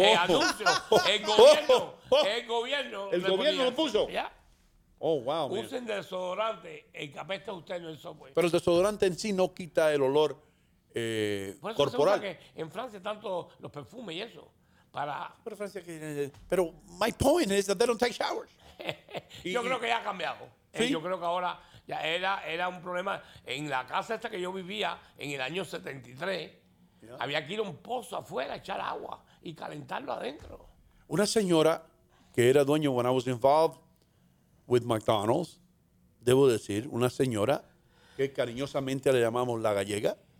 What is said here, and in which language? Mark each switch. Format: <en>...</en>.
<es>El anuncio, el gobierno. El gobierno lo puso. ¿Ya? Oh, wow. Usen desodorante, el capesto es usted, no el Subway. Pero el desodorante en sí no quita el olor. Por eso corporal. Se usa que en Francia tanto los perfumes y eso para. Pero Francia, pero</es> <en>my point is that they don't take showers.</en> <es>Yo creo que ya ha cambiado. ¿Sí? Yo creo que ahora ya era un problema en la casa esta que yo vivía en el año 73.</es> <en>Yeah.</en> <es>Había que ir a un pozo afuera a echar agua y calentarlo adentro. Una señora que era dueña</es> <en>when I was involved with McDonald's,</en> <es>debo decir, una señora que cariñosamente le llamamos la gallega.</es>